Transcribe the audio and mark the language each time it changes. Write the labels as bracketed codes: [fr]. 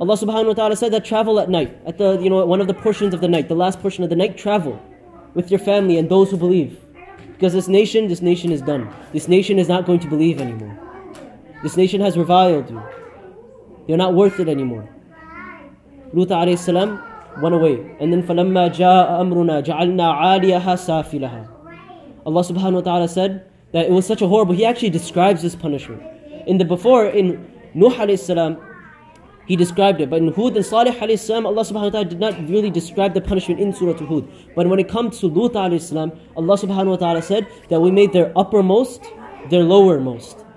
[en] Allah subhanahu wa ta'ala said that travel at night, at the, you know, one of the portions of the night, the last portion of the night, travel with your family and those who believe. Because this nation is done. This nation is not going to believe anymore. This nation has reviled you. You're not worth it anymore. Lut alayhi salam went away. And then [ar] فَلَمَّا جَاءَ أَمْرُنَا جَعَلْنَا عَالِيَهَا سَافِلَهَا. [en] Allah subhanahu wa ta'ala said that it was such a horrible, he actually describes this punishment. In Nuh alayhi salam, he described it. But in Hud and Salih alayhi salam, Allah subhanahu wa ta'ala did not really describe the punishment in Surah Hud. But when it comes to Lut alayhi salam, Allah subhanahu wa ta'ala said that we made their uppermost their lowermost.